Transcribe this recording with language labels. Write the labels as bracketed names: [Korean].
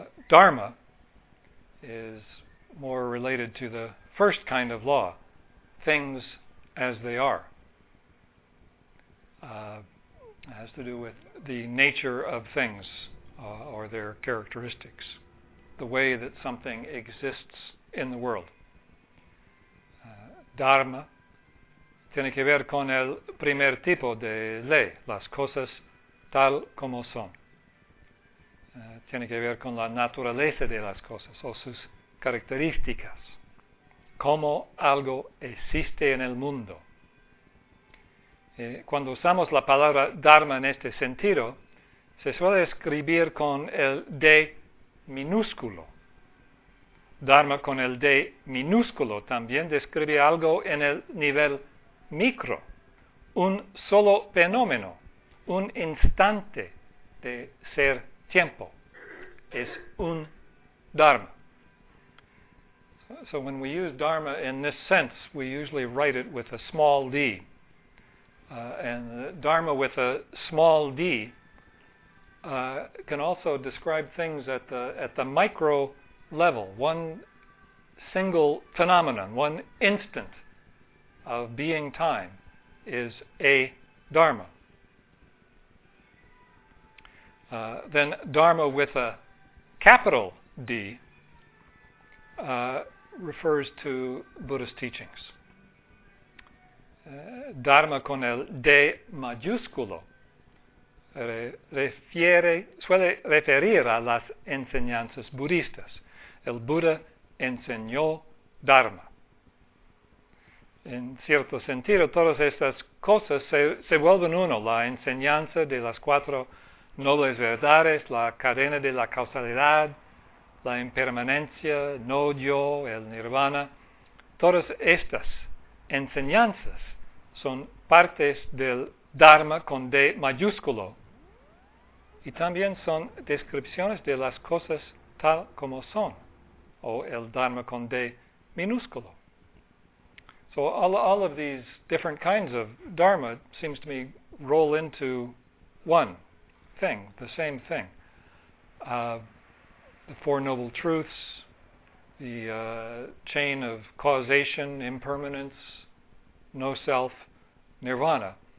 [English] Dharma is more related to the first kind of law, things as they are. It has to do with the nature of things or their characteristics, the way that something exists in the world. [Spanish] Dharma tiene que ver con el primer tipo de ley, las cosas tal como son. Tiene que ver con la naturaleza de las cosas o sus características, cómo algo existe en el mundo. Cuando usamos la palabra dharma en este sentido, se suele escribir con el D minúsculo. Dharma con el D minúsculo también describe algo en el nivel micro, un solo fenómeno, un instante de ser tiempo. Es un dharma. [English] So when we use dharma in this sense, we usually write it with a small d. And dharma with a small d can also describe things at the micro level, one single phenomenon, one instant of being time is a dharma. Then dharma with a capital D refers to Buddhist teachings. [Spanish] Dharma con el D mayúsculo suele referir a las enseñanzas budistas. El Buda enseñó Dharma. En cierto sentido, todas estas cosas se vuelven uno, la enseñanza de las cuatro nobles verdades, la cadena de la causalidad, la impermanencia, no yo, el nirvana. Todas estas enseñanzas son partes del Dharma con D mayúsculo y también son descripciones de las cosas tal como son, o el Dharma con D minúsculo. [English] So all of these different kinds of dharma seems to me roll into one thing, the same thing. The Four Noble Truths, the chain of causation, impermanence, no self, nirvana.